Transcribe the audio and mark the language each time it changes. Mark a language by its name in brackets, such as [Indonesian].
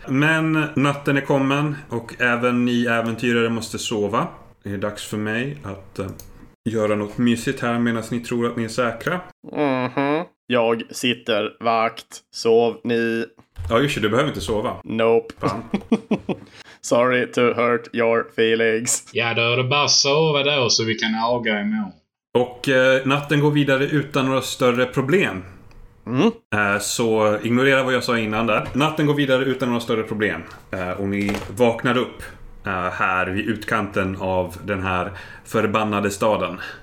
[Swedish] Men natten är kommen och även ni äventyrare måste sova. Det är dags för mig att göra något mysigt här medan ni tror att ni är säkra. Mhm. Jag sitter vakt. Sov ni. Ja, just det, du behöver inte sova. [English] Nope. Sorry to hurt your feelings. [Swedish] Ja, då är det bara sova då så vi kan aga emot. Och natten går vidare utan några större problem. Mm. Så ignorera vad jag sa innan där. Natten går vidare utan några större problem. Och ni vaknar upp här vid utkanten av den här förbannade staden.